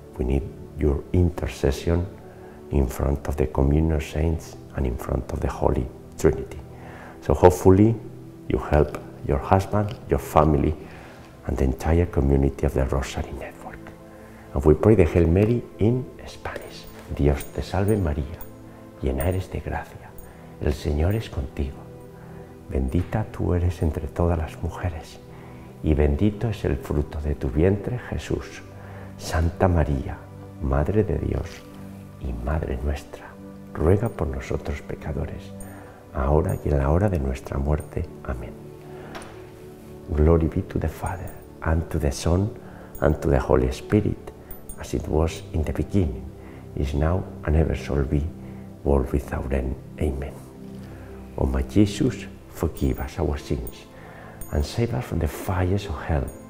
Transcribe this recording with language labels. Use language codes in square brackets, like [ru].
[en] We need your intercession in front of the communion saints and in front of the Holy Trinity. So hopefully you help your husband, your family, and the entire community of the Rosary Network. And we pray the Hail Mary in Spanish. [es] Dios te salve María, llena eres de gracia, el Señor es contigo. Bendita tú eres entre todas las mujeres, y bendito es el fruto de tu vientre, Jesús. Santa María, Madre de Dios y Madre nuestra, ruega por nosotros pecadores, ahora y en la hora de nuestra muerte. Amén. [en] Glory be to the Father, and to the Son, and to the Holy Spirit, as it was in the beginning, is now, and ever shall be, world without end. Amen. O my Jesus, forgive us our sins, and save us from the fires of hell.